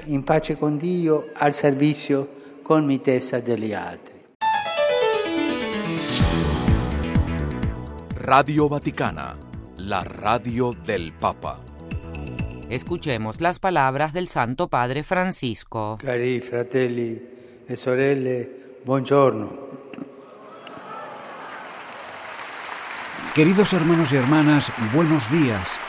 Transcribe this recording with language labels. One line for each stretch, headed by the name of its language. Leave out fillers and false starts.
Spanish: En paz con Dios, al servicio con
Italian: mitezza degli altri.
Spanish: Radio Vaticana, la radio del Papa. Escuchemos las palabras del Santo Padre Francisco.
Italian: Cari fratelli e sorelle, buongiorno.
Spanish: Queridos hermanos y hermanas, buenos días.